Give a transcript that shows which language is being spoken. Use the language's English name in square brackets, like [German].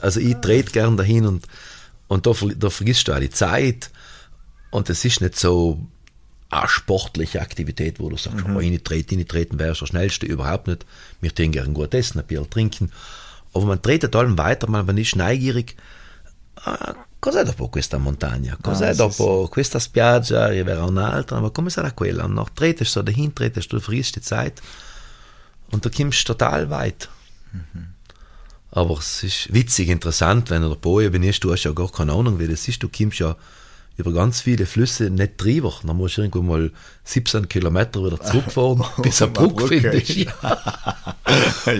[German] Also ich drehe gern dahin und da vergisst du auch die Zeit und es ist nicht so eine sportliche Aktivität, wo du sagst, reintreten, wer ist der Schnellste, überhaupt nicht. Wir tun gerne gut essen, ein Bier trinken. Aber man tretet allem weiter, man ist neugierig. [Italian] Cos'è dopo questa montagna? Cos'è dopo questa spiaggia? Arriverà un'altra? Ma come sarà quella? [German] No, tretest du dahin, tretest du, vergisst die Zeit. Und da kommst du total weit. Mhm. Aber es ist witzig, interessant, wenn du der Boje bist, du hast ja gar keine Ahnung, wie das ist. Du kommst ja über ganz viele Flüsse nicht drüber. Dann musst du irgendwo mal 17 Kilometer wieder zurückfahren, bis du eine Brücke findest.